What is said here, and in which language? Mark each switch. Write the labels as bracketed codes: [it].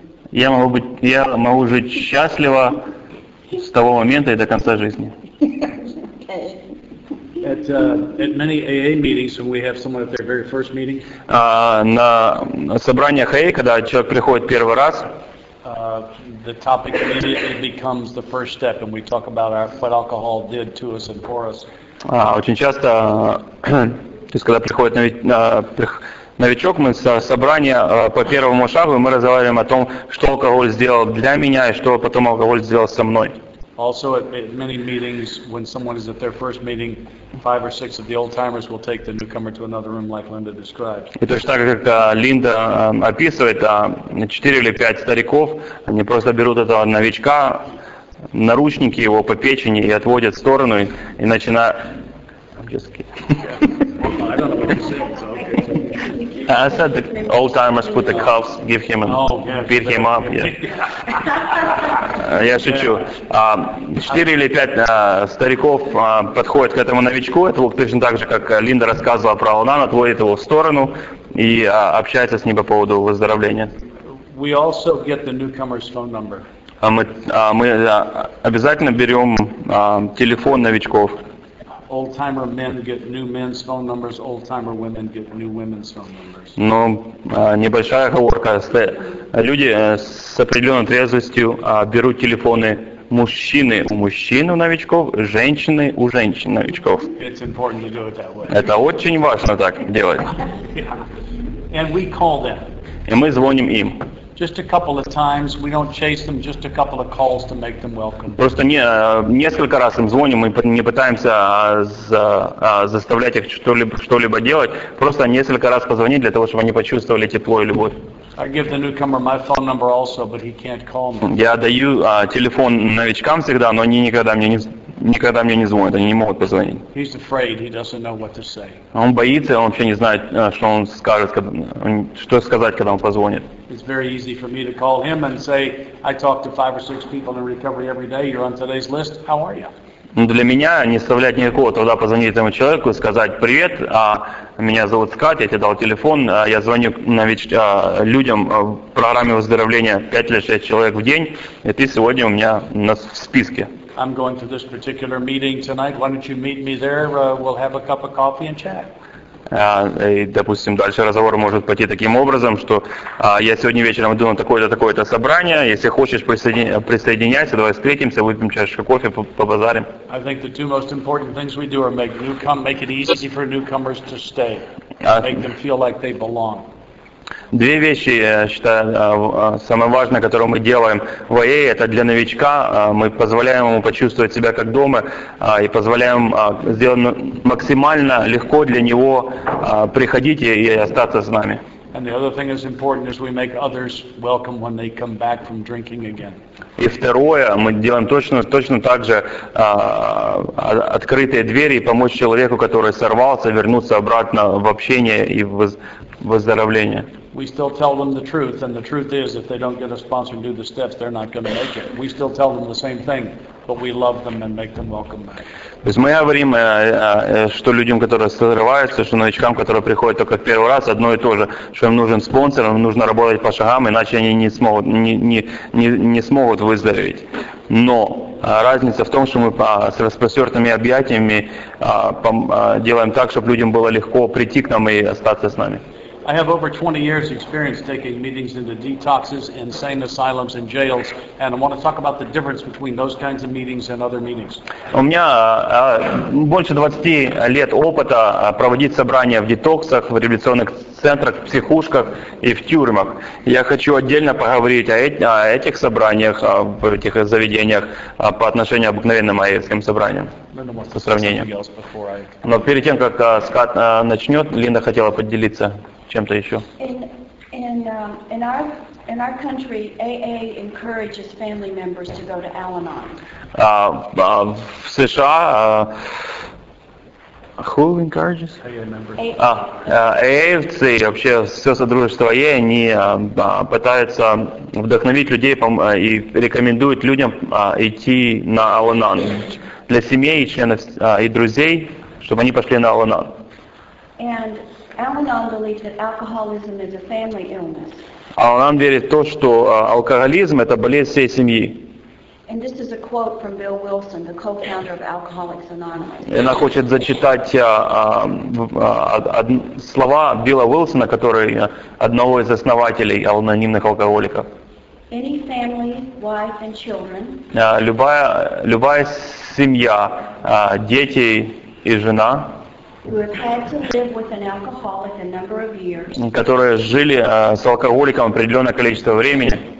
[ru] Я могу жить счастливо с того момента и до конца жизни. [en] At many AA meetings, when we have someone at their very first meeting. [ru] На собраниях AA, когда человек приходит первый раз, [en] The topic immediately becomes the first step, and we talk about what alcohol did to us and for us. [ru] Очень часто, то есть когда приходит новичок, мы с собрания по первому шагу мы разговариваем о том, что алкоголь сделал для меня и что потом алкоголь сделал со мной. [en] Also, at many meetings, when someone is at their first meeting, 5 or 6 of the old timers will take the newcomer to another room, like Linda described. [ru] И точно так, как Линда описывает, 4 или 5 стариков, они просто берут этого новичка, наручники его по печени и отводят в сторону и начинают. [en] I'm just kidding. I said the old timers put the cuffs, give him and beat him up. [ru] Yeah. Я шучу. 4 или 5 стариков подходят к этому новичку, это точно так же, как Линда рассказывала про Al-Anon, отводит его в сторону и общается с ним по поводу выздоровления. [en] We also get the newcomer's phone number. [ru] Мы обязательно берем телефон новичков. [en] Old-timer men get new men's phone numbers. Old-timer women get new women's phone numbers. [ru] Но небольшая оговорка. Люди с определенной трезвостью берут телефоны мужчины у мужчин у новичков, женщины у женщин новичков. [en] It's important to do it that way. [ru] Это очень важно так делать. [en] And we call them. [ru] И мы звоним им. [en] Just a couple of times, we don't chase them, just a couple of calls to make them welcome. [ru] Просто несколько раз им звоним, мы не пытаемся заставлять их что-либо делать, просто несколько раз позвонить для того, чтобы они почувствовали тепло и любовь. [en] I give the newcomer my phone number also, but he can't call me. [ru] Я даю телефон новичкам всегда, но они никогда мне никогда мне не звонят, они не могут позвонить. [en] He's afraid, he doesn't know what to say. [ru] Он боится, он вообще не знает, что он скажет, что сказать, когда он позвонит. [en] It's very easy for me to call him and say, I talk to five or six people in recovery every day, you're on today's list, how are you? [ru] Для меня не составляет никакого труда позвонить этому человеку и сказать «Привет, меня зовут Скат, я тебе дал телефон, я звоню людям в программе выздоровления 5 или 6 человек в день, и ты сегодня у меня в списке». [en] I'm going to this particular meeting tonight, why don't you meet me there, we'll have a cup of coffee and chat. [ru] И, допустим, дальше разговор может пойти таким образом, что я сегодня вечером иду на такое-то собрание, если хочешь присоединяйся, давай встретимся, выпьем чашечку кофе, побазарим. [en] I think the two most important things we do are make it easy for newcomers to stay, make them feel like they belong. [ru] Две вещи, я считаю, самое важное, которое мы делаем в АЭ, это для новичка, мы позволяем ему почувствовать себя как дома и позволяем сделать максимально легко для него приходить и остаться с нами. [en] And the other thing that's important is we make others welcome when they come back from drinking again. [ru] И второе, мы делаем точно так же открытые двери и помочь человеку, который сорвался, вернуться обратно в общение и в выздоровление. [en] We still tell them the truth, and the truth is, if they don't get a sponsor and do the steps, they're not going to make it. We still tell them the same thing, but we love them and make them welcome back. [ru] То есть мы говорим, что людям, которые срываются, что новичкам, которые приходят только в первый раз, одно и то же, что им нужен спонсор, им нужно работать по шагам, иначе они не смогут выздороветь. Но разница в том, что мы с распростертыми объятиями делаем так, чтобы людям было легко прийти к нам и остаться с нами. [en] I have over 20 years experience taking meetings into detoxes, insane asylums, and jails, and I want to talk about the difference between those kinds of meetings and other meetings. [ru] У меня больше 20 лет опыта проводить собрания в детоксах, в реабилитационных центрах, в психушках и в тюрьмах. Я хочу отдельно поговорить о этих собраниях, об этих заведениях по отношению к обыкновенным АЭ-ским собраниям. По сравнению. Но перед тем, как Скат начнет, Линда хотела поделиться. Чем-то еще. [en] In our country, AA encourages family members to go to Al-Anon. [ru] В США, [en] who encourages? [ru] AA-вцы, вообще все содружество AA, они пытаются вдохновить людей и рекомендуют людям идти на Al-Anon. Для семей, членов и друзей, чтобы они пошли на Al-Anon. [en] And Al-Anon believes that alcoholism is a family illness. [ru] Al-Anon верит в то, что алкоголизм – это болезнь всей семьи. [en] And this is a quote from Bill Wilson, the co-founder of Alcoholics Anonymous. [ru] Она хочет зачитать слова Билла Уилсона, который одного из основателей анонимных алкоголиков. [en] Any family, wife, and children. [ru] Любая семья, дети и жена. [en] Who have had to live with an alcoholic a number of years. [ru] Которые жили с алкоголиком определенное количество времени.